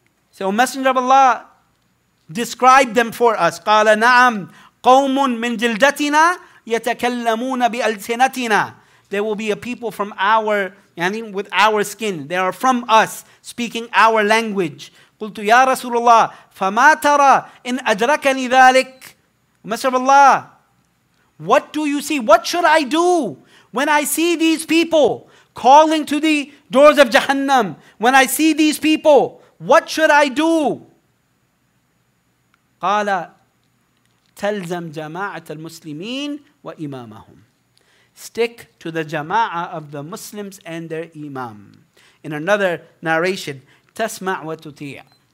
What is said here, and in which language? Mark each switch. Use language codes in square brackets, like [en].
[en] So Messenger of Allah, describe them for us. [ar] قَالَ نَعَمْ قَوْمٌ مِنْ جِلْدَتِنَا يَتَكَلَّمُونَ بِأَلْسِنَتِنَا. [en] There will be a people from our yani with our skin. They are from us, speaking our language. [ar] قلت يا رسول الله فما ترى إن أدركني ذلك. [en] Messenger of Allah, what do you see? What should I do when I see these people calling to the doors of Jahannam? When I see these people, what should I do? [ar] قال تلزم جماعة المسلمين وإمامهم. [en] Stick to the jama'ah of the Muslims and their imam. In another narration, [ar] تَسْمَعْ وَتُطِيعْ.